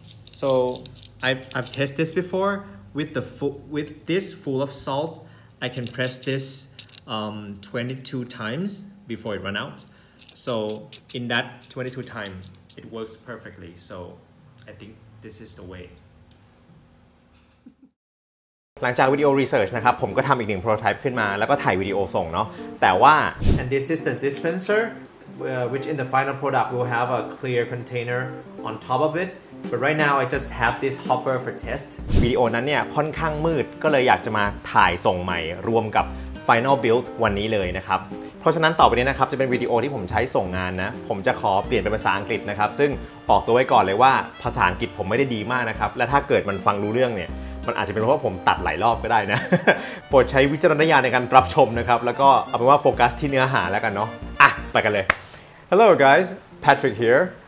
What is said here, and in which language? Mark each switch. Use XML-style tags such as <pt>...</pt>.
<en>So I've tested this before with this full of salt. I can press this 22 times before it run out. So in that 22 time, it works perfectly. So I think this is the way.</en> <th>หลังจากวิดีโอรีเสิร์ชนะครับผมก็ทำอีกหนึ่งโปรโตไทป์ขึ้นมาแล้วก็ถ่ายวิดีโอส่งเนาะแต่ว่า</th> <en>and this is the dispenser which in the final product will have a clear container on top of it but right now I just have this hopper for test</en> <th>วิดีโอนั้นเนี่ยค่อนข้างมืดก็เลยอยากจะมาถ่ายส่งใหม่รวมกับ final build วันนี้เลยนะครับเพราะฉะนั้นต่อไปนี้นะครับจะเป็นวิดีโอที่ผมใช้ส่งงานนะผมจะขอเปลี่ยนเป็นภาษาอังกฤษนะครับซึ่งบอกตัวไว้ก่อนเลยว่าภาษาอังกฤษผมไม่ได้ดีมากนะครับและถ้าเกิดมันฟังรู้เรื่องเนี่ยมันอาจจะเป็นเพราะผมตัดหลายรอบก็ได้นะโปรดใช้วิจารณญาณในการรับชมนะครับแล้วก็เอาเป็นว่าโฟกัสที่เนื้อหาแล้วกันเนาะอ่ะไปกันเลย</th> <en>Hello guys Patrick here</en>